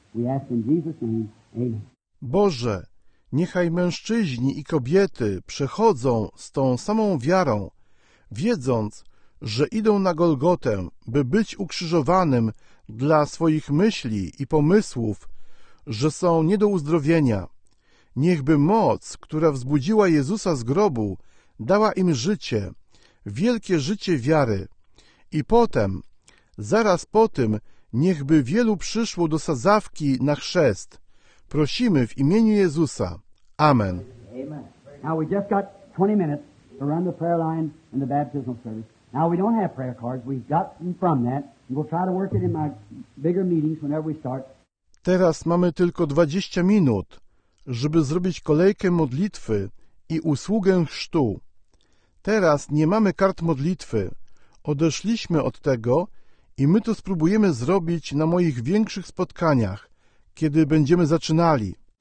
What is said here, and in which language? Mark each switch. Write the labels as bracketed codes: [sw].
[en] We ask in Jesus' name. Amen. [pl] Boże, niechaj mężczyźni i kobiety przechodzą z tą samą wiarą, wiedząc, że idą na Golgotę, by być ukrzyżowanym dla swoich myśli i pomysłów, że są nie do uzdrowienia. Niechby moc, która wzbudziła Jezusa z grobu, dała im życie, wielkie życie wiary. I potem, zaraz po tym, niechby wielu przyszło do sadzawki na chrzest. Prosimy w imieniu Jezusa. Amen. Amen. [en] Now we just got 20 minutes to run the prayer line and the baptismal service. Now we don't have prayer cards. We've gotten from that. We'll try to work it in my bigger meetings whenever we start. [pl] Teraz mamy tylko 20 minut, żeby zrobić kolejkę modlitwy i usługę chrztu. Teraz nie mamy kart modlitwy. Odeszliśmy od tego i my to spróbujemy zrobić na moich większych spotkaniach, kiedy będziemy zaczynali.